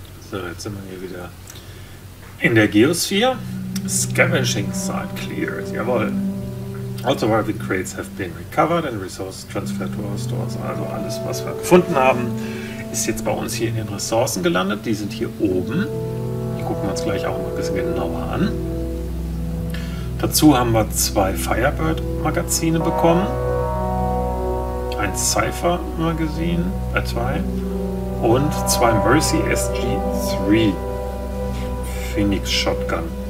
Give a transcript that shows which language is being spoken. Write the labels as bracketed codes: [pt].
[de] So, jetzt sind wir hier wieder in der Geosphere. [en] Scavenging site cleared, jawohl. All surviving crates have been recovered and resources transferred to our stores. [de] Also alles, was wir gefunden haben, ist jetzt bei uns hier in den Ressourcen gelandet. Die sind hier oben. Die gucken wir uns gleich auch mal ein bisschen genauer an. Dazu haben wir 2 Firebird-Magazine bekommen. Ein Cypher-Magazin, 2. Und 2 Mercy SG-3 Phoenix Shotgun.